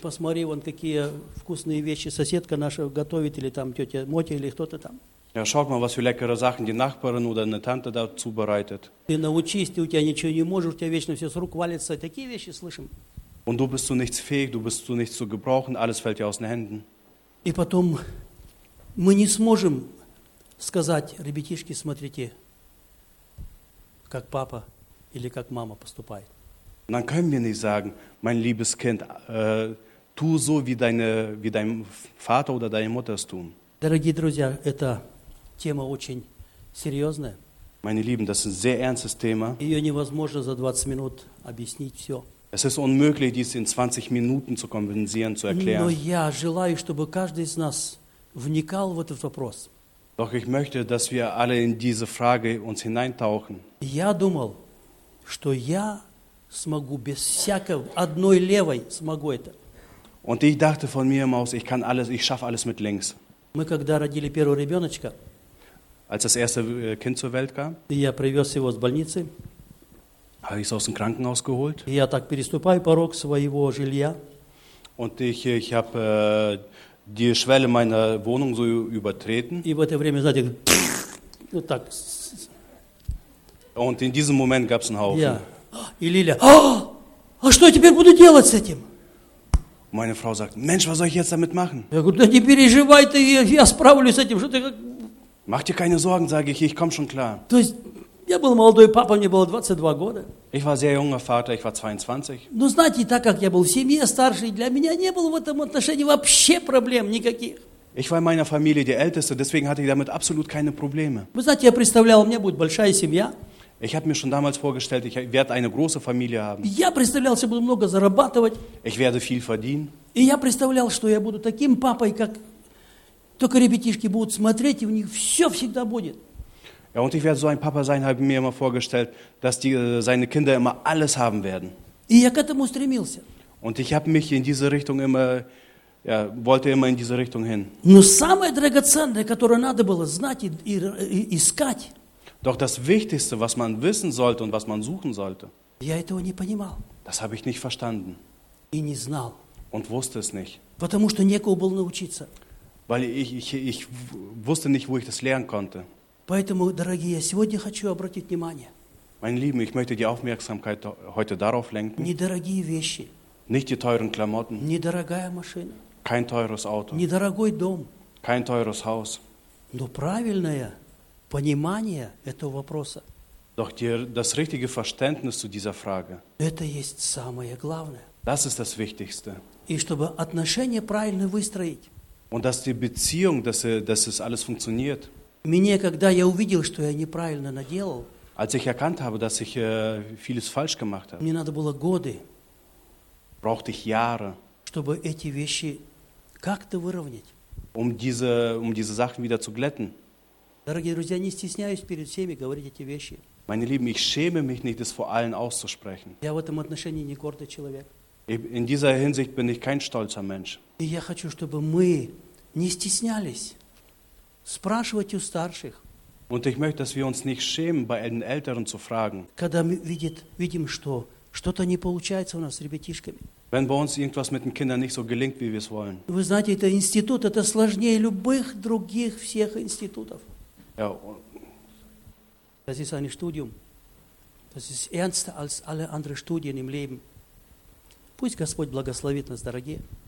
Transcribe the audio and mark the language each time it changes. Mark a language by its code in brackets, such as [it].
[ru] Посмотри, вон какие вкусные вещи соседка наша готовит, или там тетя Мотя, или кто-то там. [de] Ja, schaut mal, was für leckere Sachen die Nachbarin oder eine Tante da zubereitet. [ru] Ты научись, ты у тебя ничего не можешь, у тебя вечно все с рук валится. Такие вещи слышим. [de] Und du bist zu nichts fähig, du bist zu nichts zu gebrauchen, alles fällt dir aus den Händen. [ru] И потом мы не сможем сказать: Ребятишки, смотрите, как папа или как мама поступает. [de] Dann können wir nicht sagen: Mein liebes Kind, tu so, wie dein Vater oder deine Mutter es tun. [ru] Дорогие друзья, эта тема очень серьезная. [de] Meine Lieben, das ist ein sehr ernstes Thema. [ru] Ее невозможно за 20 минут объяснить все. [de] Es ist unmöglich, dies in 20 Minuten zu kompensieren, zu erklären. [ru] Но я желаю, чтобы каждый из нас вникал в этот вопрос. [de] Doch ich möchte, dass wir alle in diese Frage uns hineintauchen. [ru] Я думал, что я смогу без всякой одной левой смогу это. [de] Und ich dachte von mir aus, ich kann alles, ich schaffe alles mit links. [ru] Мы когда родили первого ребеночка, [de] als das erste Kind zur Welt kam, [ru] я привез его с больницы, [de] habe ich es aus dem Krankenhaus geholt. [ru] Я так переступаю порог своего жилья. [de] Und ich habe die Schwelle meiner Wohnung so übertreten. [ru] И в это время, знаете, вот так. [de] Und in diesem Moment gab es einen Haufen. Ja. [ru] И Лиля, а что я теперь буду делать с этим? [de] Meine Frau sagt, Mensch, was soll ich jetzt damit machen? [ru] Я говорю, да не переживай ты, я справлюсь с этим. Что ты как... [de] Mach dir keine Sorgen, sage ich komme schon klar. [ru] То есть, я был молодой папа, мне было 22 года. [de] Ich war sehr junger Vater, ich war 22. [ru] Ну, знаете, так как я был в семье старший, для меня не было в этом отношении вообще проблем никаких. [de] Ich war in meiner Familie der Älteste, deswegen hatte ich damit absolut keine Probleme. [ru] Вы знаете, я представлял, у меня будет большая семья. [de] Ich habe mir schon damals vorgestellt, ich werde eine große Familie haben. [ru] Я представлял, что буду много зарабатывать. [de] Ich werde viel verdienen. [ru] И я представлял, что я буду таким папой, как только ребятишки будут смотреть, и у них все всегда будет. [de] Ja, und ich werde so ein Papa sein, habe mir immer vorgestellt, dass die seine Kinder immer alles haben werden. [ru] И я к этому стремился. [de] Und ich habe mich in diese Richtung immer, ja, wollte immer in diese Richtung hin. [ru] Но самое драгоценное, которое надо было знать и искать. [de] Doch das Wichtigste, was man wissen sollte und was man suchen sollte, [ru] я этого не понимал. [de] Das habe ich nicht verstanden. [ru] И не знал. [de] Und wusste es nicht. [ru] Потому что некого было научиться. [de] Weil ich wusste nicht, wo ich das lernen konnte. [ru] Поэтому, дорогие, я сегодня хочу обратить внимание. [de] Meine Lieben, ich möchte die Aufmerksamkeit heute darauf lenken. [ru] Недорогие вещи. [de] Nicht die teuren Klamotten. [ru] Недорогая машина. [de] Kein teures Auto. [ru] Недорогой дом. [de] Kein teures Haus. [ru] Но правильное понимание этого вопроса. [de] Doch das richtige Verständnis zu dieser Frage. [ru] Это есть самое главное. [de] Das ist das Wichtigste. [ru] И чтобы отношения правильно выстроить. [de] Und dass die Beziehung, dass es alles funktioniert. [ru] Мне, когда я увидел, что я неправильно наделал, [de] als ich erkannt habe, dass ich vieles falsch gemacht habe, [ru] мне надо было годы, [de] brauchte ich Jahre, [ru] чтобы эти вещи как-то выровнять. [de] Um diese Sachen wieder zu glätten. [ru] Дорогие друзья, не стесняюсь перед всеми говорить эти вещи. [de] Meine Lieben, ich schäme mich nicht, das vor allen auszusprechen. [ru] Я в этом отношении не гордый человек. [de] In dieser Hinsicht bin ich kein stolzer Mensch. [ru] И я хочу, чтобы мы не стеснялись спрашивать у старших. [de] Und ich möchte, dass wir uns nicht schämen, bei den Älteren zu fragen. [ru] Когда мы видим, что что-то не получается у нас с ребятишками. [de] Wenn bei uns irgendwas mit den Kindern nicht so gelingt, wie wir es wollen. [ru] Вы знаете, это институт, это сложнее любых других всех институтов. [de] Ja. Das ist ein Studium. Das ist ernster als alle anderen Studien im Leben. [ru] Пусть Господь благословит нас, дорогие.